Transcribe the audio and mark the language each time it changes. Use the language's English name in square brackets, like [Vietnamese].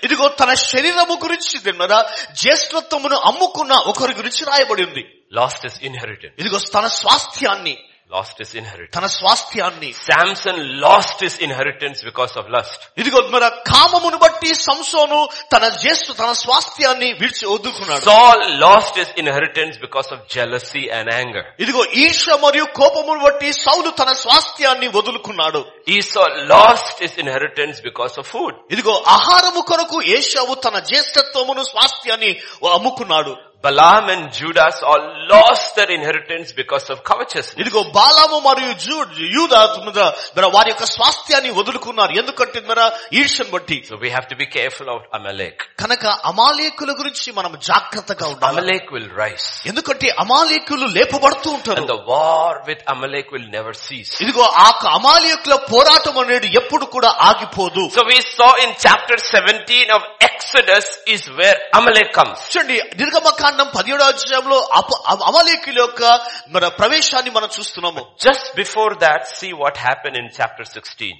[Telugu] ఇదిగో తన శరీరము గురించి తిన్నదా జ్యేష్ఠత్వమును అమ్ముకున్న ఒకరి గురించి రాయబడి ఉంది. [English] Lost his inheritance. [Telugu] ఇదిగో తన స్వాస్థ్యాన్ని. [English] Lost his inheritance. [Telugu] తన స్వాస్థ్యాన్ని. [English] Samson lost his inheritance because of lust. [Telugu] ఇదిగో మన కామమును బట్టి సంసోను తన జ్యేష్ఠ తన స్వాస్థ్యాన్ని విడిచి వదులుకున్నాడు. [English] Saul lost his inheritance because of jealousy and anger. [Telugu] ఇదిగో ఈర్ష్య మరియు కోపమును బట్టి సౌలు తన స్వాస్థ్యాన్ని వదులుకున్నాడు. [English] Esau lost his inheritance because of food. [Telugu] ఇదిగో ఆహారము కొరకు ఏషావు తన జ్యేష్ఠత్వమును స్వాస్థ్యాన్ని అమ్ముకున్నాడు. [English] Balaam and Judas all lost their inheritance because of covetousness. [Telugu] ఇదిగో బాలాము మరియు యూదాస్ మన వారి యొక్క స్వాస్థ్యాన్ని వదులుకున్నారు ఎందుకంటే మన ఈర్ష్యను బట్టి. [English] So we have to be careful of Amalek. [Telugu] కనుక అమాలేకుల గురించి మనం జాగ్రత్తగా ఉండాలి. [English] Amalek will rise. [Telugu] ఎందుకంటే అమాలేకులు లేపబడుతూ ఉంటారు. [English] And the war with Amalek will never cease. [Telugu] ఇదిగో అమాలేకుల పోరాటం అనేది ఎప్పుడు కూడా ఆగిపోదు. [English] So we saw in chapter 17 of Exodus is where Amalek comes. [Telugu] చూడండి నిర్గమకాండం 17వ అధ్యాయంలో అమాలేకుల యొక్క మన ప్రవేశాన్ని మనం చూస్తున్నాము. [English] Just before that see what happen in chapter 16.